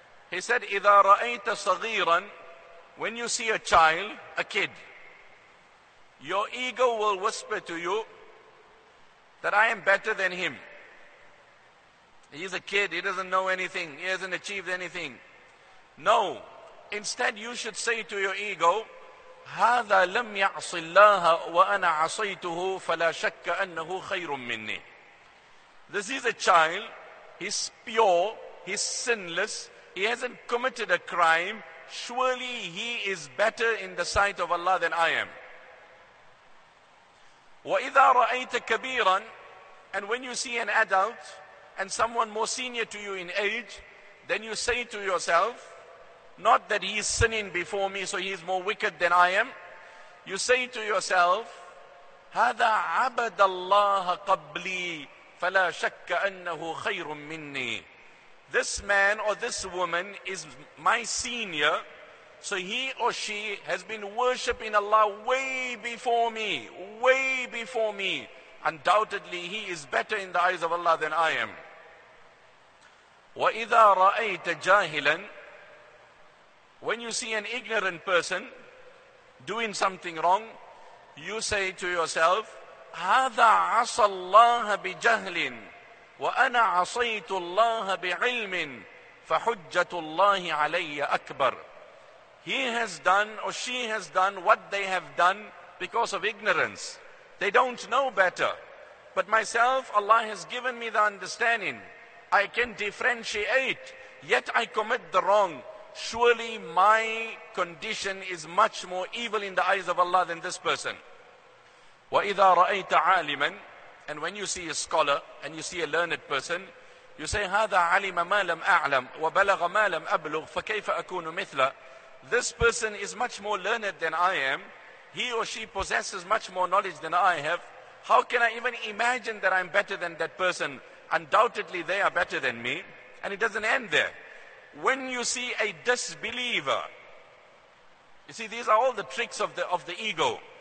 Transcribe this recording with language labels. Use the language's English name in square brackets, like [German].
[English] He said, [Arabic] إِذَا رَأَيْتَ صَغِيرًا, [English] when you see a child, a kid, your ego will whisper to you that I am better than him. He's a kid, he doesn't know anything, he hasn't achieved anything. No. Instead, you should say to your ego, [Arabic] هَذَا لَمْ يَعْصِ اللَّهَ وَأَنَا عَصَيْتُهُ فَلَا شَكَّ أَنَّهُ خَيْرٌ مِّنِّي. [English] This is a child, he's pure, he's sinless, he hasn't committed a crime, surely he is better in the sight of Allah than I am. [Arabic] وَإِذَا رَأَيْتَ كَبِيرًا, [English] and when you see an adult and someone more senior to you in age, then you say to yourself, not that he is sinning before me, so he is more wicked than I am. You say to yourself, [Arabic] هَذَا عَبَدَ اللَّهَ قَبْلِي فَلَا شَكَّ أَنَّهُ خَيْرٌ مِّنِّي. [English] This man or this woman is my senior, so he or she has been worshipping Allah way before me, way before me. Undoubtedly, he is better in the eyes of Allah than I am. [Arabic] وَإِذَا رَأَيْتَ جَاهِلًا, [English] when you see an ignorant person doing something wrong, you say to yourself, [Arabic] هَذَا عَصَى اللَّهَ بِجَهْلٍ وَأَنَا عَصَيْتُ اللَّهَ بِعِلْمٍ فَحُجَّةُ اللَّهِ عَلَيَّ أَكْبَرٍ. [English] He has done or she has done what they have done because of ignorance. They don't know better. But myself, Allah has given me the understanding. I can differentiate, yet I commit the wrong. Surely my condition is much more evil in the eyes of Allah than this person. [Arabic] وَإِذَا رَأَيْتَ عَالِمًا, [English] and when you see a scholar and you see a learned person, you say, [Arabic] هَذَا عَلِمَ مَا لَمْ أَعْلَمْ وَبَلَغَ مَا لَمْ أَبْلُغْ فَكَيْفَ أَكُونُ مِثْلًا. [English] This person is much more learned than I am. He or she possesses much more knowledge than I have. How can I even imagine that I'm better than that person? Undoubtedly they are better than me. And it doesn't end there. When you see a disbeliever, you see, these are all the tricks of the ego.